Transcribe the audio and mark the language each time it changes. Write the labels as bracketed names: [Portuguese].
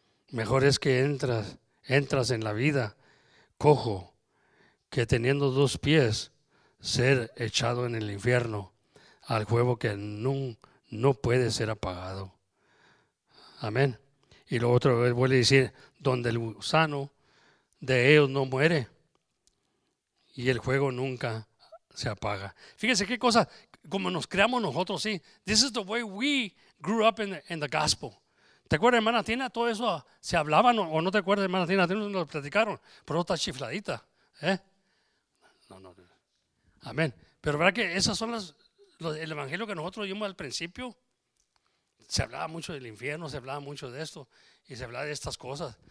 [Spanish] Mejor es que entras en la vida cojo que teniendo dos pies ser echado en el infierno, al fuego que no puede ser apagado. Amén. Y lo otro vuelve a decir, donde el gusano de ellos no muere y el fuego nunca se apaga. Fíjense qué cosa, como nos creamos nosotros, sí. [English] This is the way we grew up in the gospel. [Spanish] ¿Te acuerdas, hermana Tina? Todo eso se hablaba, o no te acuerdas, hermana Tina, nos lo platicaron, pero está chifladita, ¿eh? No. Amén. Pero verdad que esas son el evangelio que nosotros oímos al principio. Se hablaba mucho del infierno, se hablaba mucho de esto y se hablaba de estas cosas.